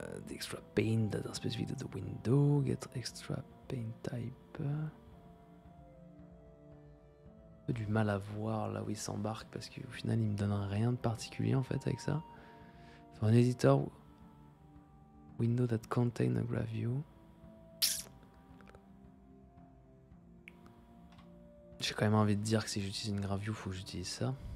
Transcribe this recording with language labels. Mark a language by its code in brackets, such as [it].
[en] Extra paint that are specific to the window. Get extra paint type. [fr] Du mal à voir là où il s'embarque parce qu'au final il me donne rien de particulier en fait avec ça. [en] For an editor window that contain a grab view. [fr] J'ai quand même envie de dire que si j'utilise une grab view, faut que j'utilise ça.